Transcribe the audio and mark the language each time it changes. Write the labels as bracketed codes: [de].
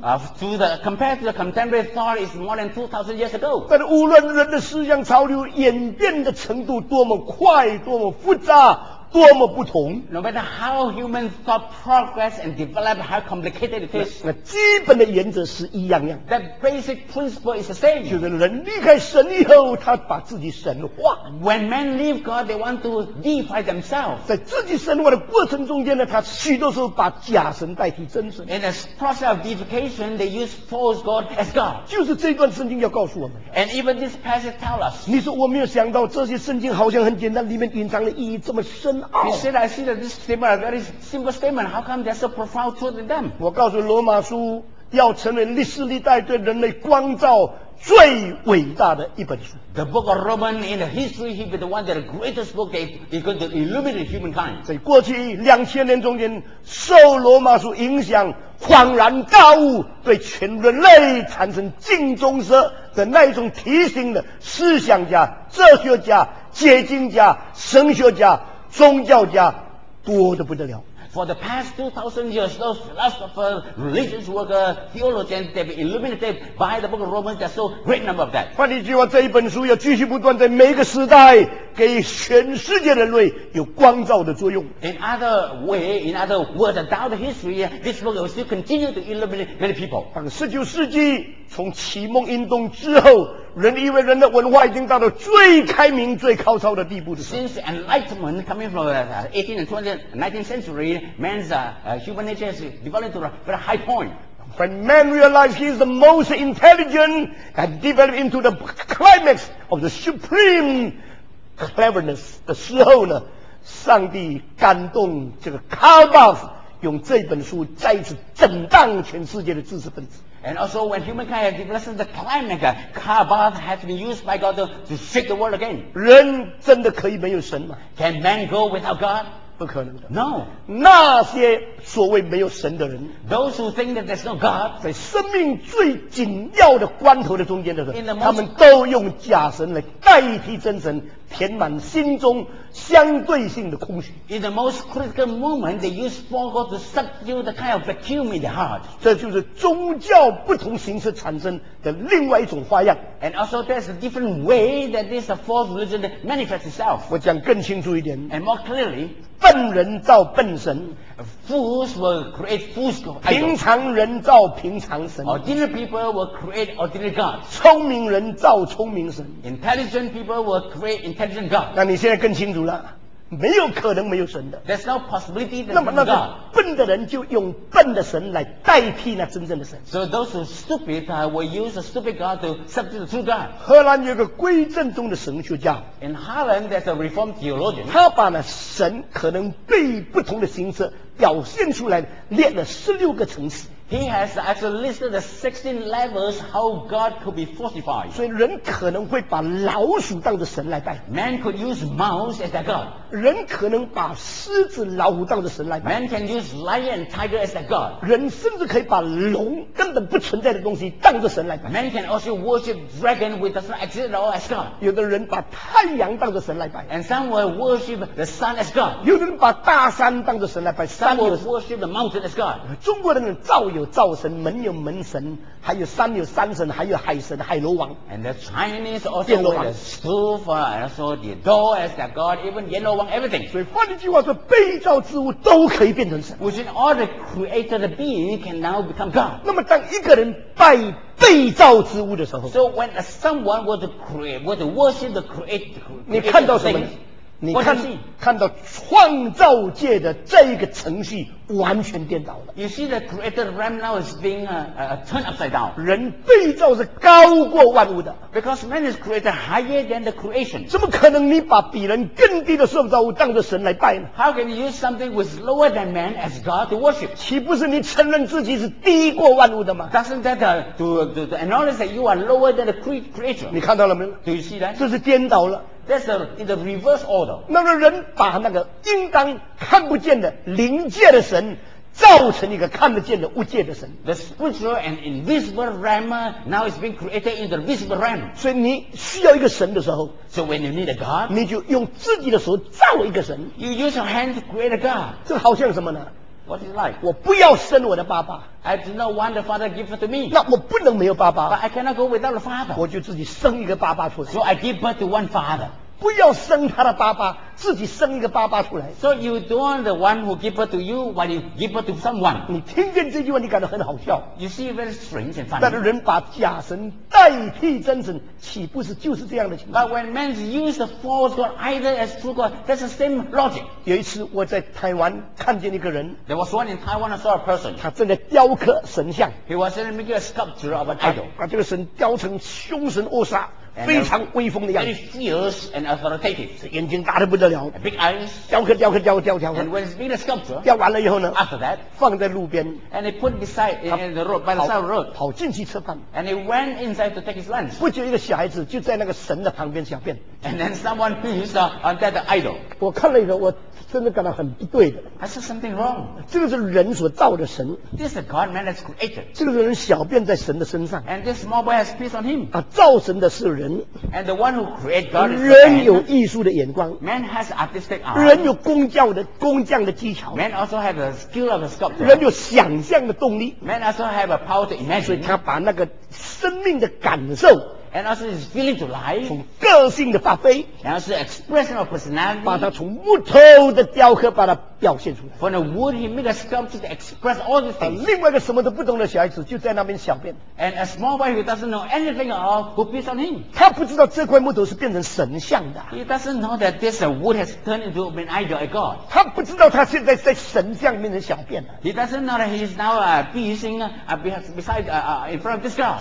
[en] compared to the contemporary thought is more than 2000 years ago. [zh] 但无论人的思想潮流演变的程度多么快、多么复杂，多么不同。 [en] No matter how human thought progress and develop, how complicated it is. [zh] 那基本的原则是一样样。 [en] That basic principle is the same. [zh] 就是人离开神以后，他把自己神化。 [en] When men leave God, they want to deify themselves. [zh] 在自己神化的过程中间呢，他许多时候把假神代替真神。 [en] In the process of deification, they use false God as God. [zh] 就是这段圣经要告诉我们。 [en] And even this passage tells us. [zh] 你说我没有想到这些圣经好像很简单，里面隐藏的意义这么深。 [en] He said, "I see that this statement is a very simple statement. How come there's a profound truth in them?" [zh] 我告诉罗马书要成为历史历代对人类光照最伟大的一本书。 [en] The book of Romans in the history, he be the one that the greatest book that is going to illuminate humankind. [zh] 在过去两千年中间，受罗马书影响，恍然大悟，对全人类产生镜中蛇的那一种提醒的思想家、哲学家、解经家、神学家。宗教家多得不得了。 [en] For the past 2,000 years, those philosophers, religious workers, theologians, they've been illuminated by the book of Romans. There's so great number of that. [zh] 换句话说，这一本书要继续不断在每个时代给全世界人类有光照的作用。 [en] In other words, without the history, this book will still continue to illuminate many people. [zh] 当19世纪从启蒙运动之后，人以为人的文化已经到了最开明、最高超的地步的时候。 [en] Since enlightenment coming from the 18th and 19th century, man's human nature has developed to a very high point. When man realized he is the most intelligent and developed into the climax of the supreme cleverness [zh] 的时候呢，上帝感动这个 Carbuff 用这本书再次震荡全世界的知识分子。 [en] And also, when humankind has developed the climate, Carbuff has been used by God to shake the world again. [zh] 人真的可以没有神吗？ [en] Can man go without God? [zh] 不可能的。 [en] No. [zh] 那些所谓没有神的人， [en] those who think that there's no God, [zh] 在生命最紧要的关头的中间的人，他们都用假神来代替真神，填满心中相对性的空虚。 [en] In the most critical moment, they use false God to subdue the kind of vacuum in the heart. [zh] 这就是宗教不同形式产生的另外一种花样。 [en] And also, there's a different way that this false religion manifests itself. [zh] 我讲更清楚一点。 [en] And more clearly, [zh] 笨人造笨神。 [en] Fools will create fools. [zh] 平常人造平常神。 [en] Ordinary people will create ordinary gods. [zh] 聪明人造聪明神。 [en] Intelligent people will create intelligent gods. [zh] 那你现在更清楚了，没有可能没有神的。 [en] There's no possibility that [zh] 那么那个笨的人就用笨的神来代替那真正的神。 [en] So those who are stupid will use a stupid God to substitute true God. [zh] 荷兰有个归正宗的神学家。 [en] In Holland, there's a reformed theologian. [zh] 他把那神可能被不同的形式表现出来，列了16个层次。 [en] He has actually listed the 16 levels how God could be fortified. [zh] 所以人可能会把老鼠当作神来拜。 [en] Man could use mouse as their God. [zh] 人可能把狮子、老虎当作神来拜。 [en] Man can use lion and tiger as their God. [zh] 人甚至可以把龙根本不存在的东西当作神来拜。 [en] Man can also worship dragon which does not exist at all as God. [zh] 有的人把太阳当作神来拜。 [en] And some will worship the sun as God. [zh] 有的人把大山当作神来拜。 [en] Some will worship the mountain as God. [zh] 中国人造有灶神，门有门神，还有山有山神，还有海神海螺王。 [en] And the Chinese also have the stove and also the door as their god, even the 阎罗王 everything. [zh] 所以换句话说，被造之物都可以变成神。 [en] Which means all the created beings can now become God. [zh] 那么当一个人拜被造之物的时候 [en] ，So when someone were to create, were to worship the created [zh] things, 你看到什么？你 看到创造界的这一个程序完全颠倒了。 [en] You see the created realm now is being turned upside down. [zh] 人被造是高过万物的。 [en] Because man is created higher than the creation. [zh] 怎么可能你把比人更低的创造物当作神来拜呢？ [en] How can you use something which is lower than man as God to worship? [zh] 岂不是你承认自己是低过万物的吗？ [en] Doesn't that to acknowledge that you are lower than the creator? [zh] 你看到了没有？ [en] Do you see that? [zh] 这是颠倒了。 [en] That's in the reverse order. [zh] 那么人把那个应当看不见的灵界的神造成一个看得见的物界的神。 [en] The spiritual and invisible realm now is being created in the visible realm. [zh] 所以你需要一个神的时候， [en] So when you need a God, [zh] 你就用自己的手造一个神。 [en] You use your hand to create a God. [zh] 这好像什么呢？ [en] What is life? [zh] 我不要生我的爸爸。 [en] I do not want the father give it to me. [zh] 那我不能没有爸爸。 [en] But I cannot go without the father. [zh] 我就自己生一个爸爸出来。 [en] So I give birth to one father. [zh] 不要生他的爸爸，自己生一个爸爸出来。 [en] So you don't want the one who give birth to you, but you give birth to someone. [zh] 你听见这句话，你感到很好笑。 [en] You see very strange and [zh] funny. 但是人把假神代替真神，岂不是就是这样的情况 [en] ？But when men use the false god either as true god, that's the same logic. [zh] 有一次我在台湾看见一个人。 [en] There was one in Taiwan, I saw a person. [zh] 他正在雕刻神像。 [en] He was making a sculpture of an idol. [zh] 把这个神雕成凶神恶煞。非常威风的样子 [en] very fierce and authoritative. [zh] 眼睛大得不得了 [en] big eyes, [zh] 雕刻雕刻雕刻雕刻 [en] and when it's been a sculpture, [zh] 雕完了以后呢 [en] after that, [zh] 放在路边 [en] and he put beside in the road, by the side of the road, [zh] 跑进去吃饭 [en] and he went inside to take his lunch. [zh] 不久一个小孩子就在那个神的旁边小便 [en] and then someone pees on that idol. [zh] 我看了以后我真的感到很不对的 [en] I said something wrong. [zh] 这个是人所造的神 [en] this is a God man that's created. [zh] 这个人小便在神的身上 [en] and this small boy has pees on him. [zh] 造神的是人 [en] And the one who created God is [zh] 人有艺术的眼光 [en] Man has artistic art. [zh] 人有工匠的工匠的技巧 [en] Man also has the skill of a sculptor. [zh] 人有想象的动力 [en] Man also has a power to imagine. [zh] 所以他把那个生命的感受 [en] And also his feeling to life. [zh] 从个性的发挥 [en] And also expression of personality. [zh] 把它从木头的雕刻把它表现出来 [en] From the wood he made a sculpture to express all these things. [zh] 另外一个什么都不懂的小孩子就在那边小便 [en] And a small boy who doesn't know anything at all who pees on him. [zh] 他不知道这块木头是变成神像的 [en] He doesn't know that this wood has turned into an idol a god. [zh] 他不知道他现在在神像面前小便了 [en] He doesn't know that he is now peeing in front of this god.